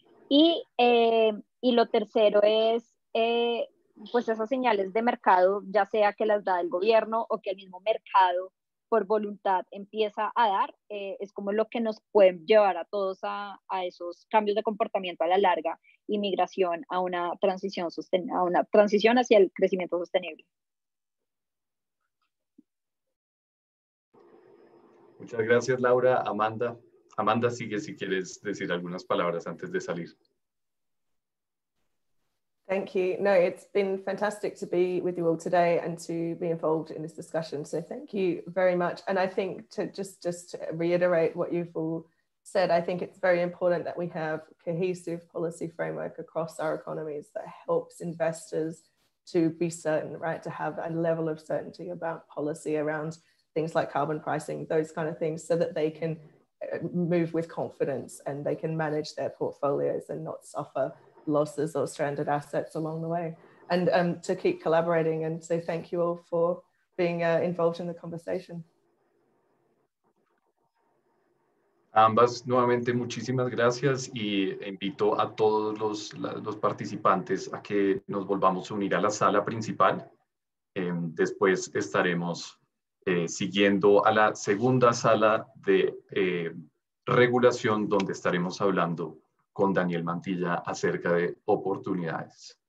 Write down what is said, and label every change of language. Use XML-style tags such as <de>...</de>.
<es>Y lo tercero es pues esas señales de mercado, ya sea que las da el gobierno o que el mismo mercado por voluntad empieza a dar, es como lo que nos pueden llevar a todos a esos cambios de comportamiento a la larga y migración a una transición sostenible, a una transición hacia el crecimiento sostenible. Muchas gracias, Laura. Amanda. Amanda, sigue si quieres decir algunas palabras antes de salir.</es> <en>Thank you. No, it's been fantastic to be with you all today and to be involved in this discussion. So thank you very much. And I think to just reiterate what you've all said, I think it's very important that we have cohesive policy framework across our economies that helps investors to be certain, right, to have a level of certainty about policy around things like carbon pricing, those kind of things, so that they can move with confidence and they can manage their portfolios and not suffer losses or stranded assets along the way, and to keep collaborating. And so thank you all for being involved in the conversation.</en> <es>Ambas, nuevamente muchísimas gracias, y invito a todos los participantes a que nos volvamos a unir a la sala principal. Después estaremos siguiendo a la segunda sala de regulación, donde estaremos hablando con Daniel Mantilla acerca de oportunidades.</es>